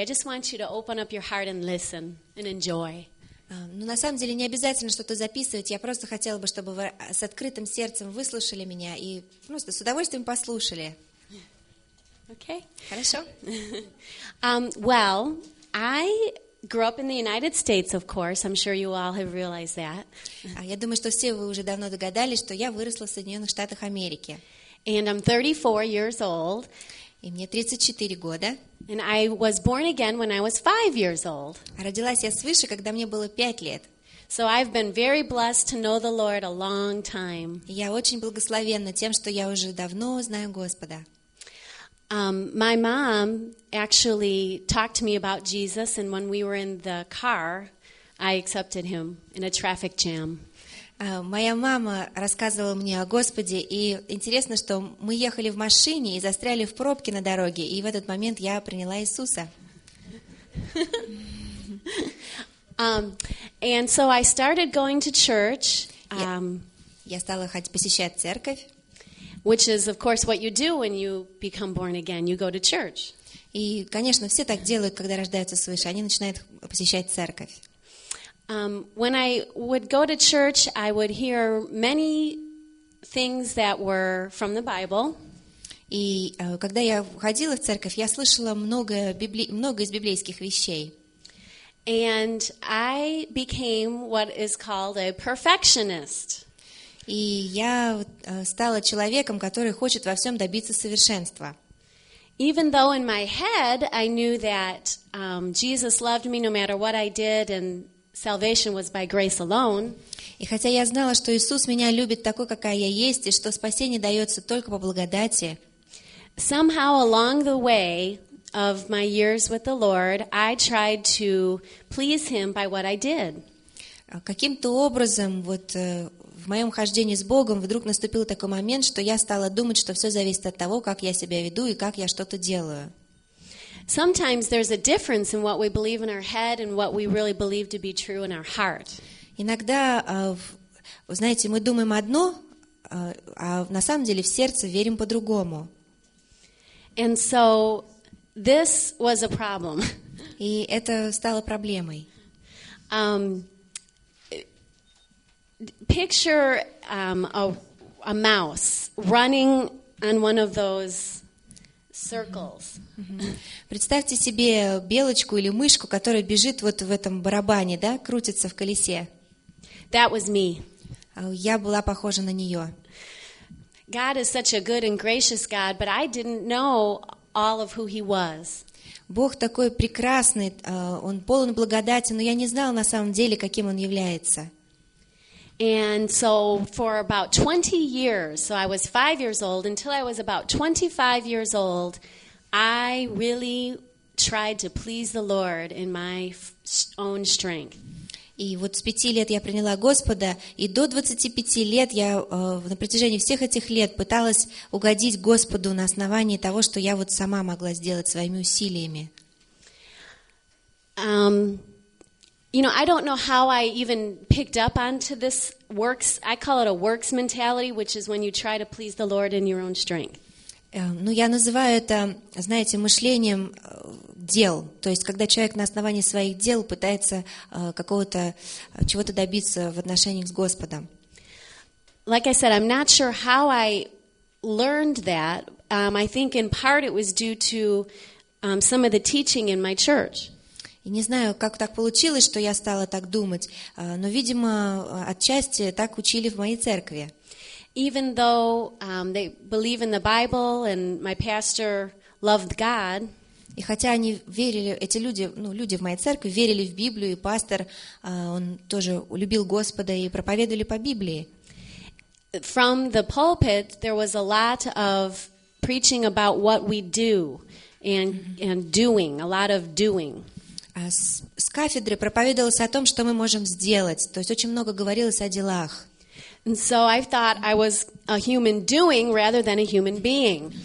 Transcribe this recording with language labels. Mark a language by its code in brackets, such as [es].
[en] I just want you to open up your heart and listen and enjoy. [ru] Ну, на самом деле, не обязательно что-то записывать. Я просто хотела бы, чтобы вы с открытым сердцем выслушали меня и просто с удовольствием послушали. [en] Okay. [ru] Хорошо. [en] Well, I grew up in the United States, of course. I'm sure you all have realized that. [ru] Я думаю, что все вы уже давно догадались, что я выросла в Соединенных Штатах Америки. [en] And I'm 34 years old. [ru] И мне 34 года. [en] And I was born again when I was 5 years old. [ru] Родилась я свыше, когда мне было 5 лет. [en] So I've been very blessed to know the Lord a long time. [ru] Я очень благословенна тем, что я уже давно знаю Господа. [en] My mom actually talked to me about Jesus, and when we were in the car, I accepted him in a traffic jam. [ru] Моя мама рассказывала мне о Господе, и интересно, что мы ехали в машине и застряли в пробке на дороге, и в этот момент я приняла Иисуса. [en] And so I started going to church. [ru] Я стала ходить посещать церковь. [en] Which is, of course, what you do when you become born again. You go to church. [ru] И, конечно, все так делают, когда рождаются свыше. Они начинают посещать церковь. [en] When I would go to church, I would hear many things that were from the Bible. [ru] И когда я ходила в церковь, я слышала много из библейских вещей. [en] And I became what is called a perfectionist. [ru] И я стала человеком, который хочет во всем добиться совершенства. [en] Even though in my head I knew that Jesus loved me no matter what I did and salvation was by grace alone. [ru] И хотя я знала, что Иисус меня любит такой, какая я есть, и что спасение дается только по благодати. [en] Somehow along the way of my years with the Lord, I tried to please Him by what I did. [ru] Каким-то образом вот в моем хождении с Богом вдруг наступил такой момент, что я стала думать, что все зависит от того, как я себя веду и как я что-то делаю. [en] Sometimes there's a difference in what we believe in our head and what we really believe to be true in our heart. [ru] Иногда, вы знаете, мы думаем одно, а на самом деле в сердце верим по-другому. [en] And so this was a problem. [ru] И это стало проблемой. [en] Picture a mouse running on one of those circles. [ru] Представьте себе белочку или мышку, которая бежит вот в этом барабане, да, крутится в колесе. [en] That was me. [ru] Я была похожа на нее. [en] God is such a good and gracious God, but I didn't know all of who He was. [ru] Бог такой прекрасный, он полон благодати, но я не знала на самом деле, каким он является. [en] And so for about 20 years, so I was 5 years old, until I was about 25 years old, I really tried to please the Lord in my own strength. [ru] И вот с 5 лет я приняла Господа, и до 25 лет я на протяжении всех этих лет пыталась угодить Господу на основании того, что я вот сама могла сделать своими усилиями. [en] You know, I don't know how I even picked up onto this works. I call it a works mentality, which is when you try to please the Lord in your own strength. [ru] Ну, я называю это, знаете, мышлением дел. То есть, когда человек на основании своих дел пытается какого-то чего-то добиться в отношениях с Господом. [en] Like I said, I'm not sure how I learned that. I think in part it was due to some of the teaching in my church. [ru] И не знаю, как так получилось, что я стала так думать, но, видимо, отчасти так учили в моей церкви. [en] Even though they believe in the Bible and my pastor loved God, [ru] и хотя они верили, эти люди, ну, люди в моей церкви верили в Библию, и пастор, он тоже любил Господа и проповедовали по Библии. [en] From the pulpit there was a lot of preaching about what we do and doing, a lot of doing. [ru] С кафедры проповедовалось о том, что мы можем сделать. То есть очень много говорилось о делах. [en] And so I thought I was a human doing rather than a human being.